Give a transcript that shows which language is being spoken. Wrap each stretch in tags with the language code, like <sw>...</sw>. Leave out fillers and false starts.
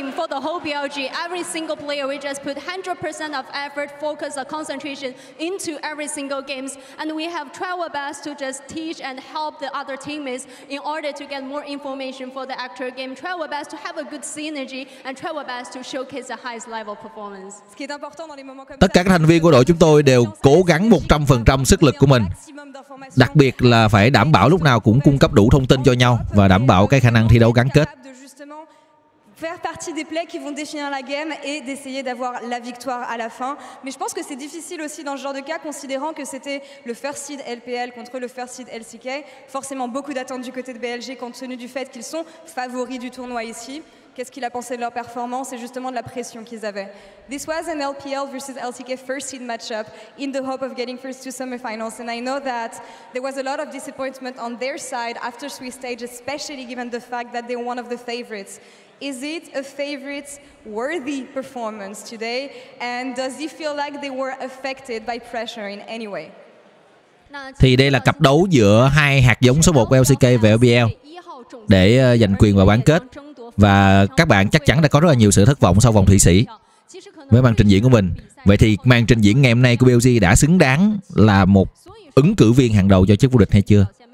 <en>For the whole BLG, every single player we just put 100% of effort, focus, and concentration into every single games, and we have tried our best to just teach and help the other teammates in order to get more information for the actual game. Try our best to have a good synergy and try our best to showcase the highest level performance.</en> <vi>Tất cả các thành viên của đội chúng tôi đều cố gắng 100% sức lực của mình. Đặc biệt là phải đảm bảo lúc nào cũng cung cấp đủ thông tin cho nhau và đảm bảo cái khả năng thi đấu gắn kết.</vi> <fr>Faire partie des plays qui vont définir la game et d'essayer d'avoir la victoire à la fin. Mais je pense que c'est difficile aussi dans ce genre de cas, considérant que c'était le first seed LPL contre le first seed LCK. Forcément, beaucoup d'attentes du côté de BLG compte tenu du fait qu'ils sont favoris du tournoi ici. Qu'est-ce qu'il a pensé de leur performance et justement de la pression qu'ils avaient?</fr> <en>This was an LPL versus LCK first seed matchup in the hope of getting first to semifinals. And I know that there was a lot of disappointment on their side after three stages, especially given the fact that they're one of the favorites. Is it a favorite's worthy performance today? And does he feel like they were affected by pressure in any way?</en> <vi>Thì đây là cặp đấu giữa hai hạt giống số 1 của LCK và LPL để giành quyền vào bán kết. Và các bạn chắc chắn đã có rất là nhiều sự thất vọng sau vòng Thụy Sĩ với màn trình diễn của mình. Vậy thì màn trình diễn ngày hôm nay của BLG đã xứng đáng là một ứng cử viên hàng đầu cho chức vô địch hay chưa?</vi>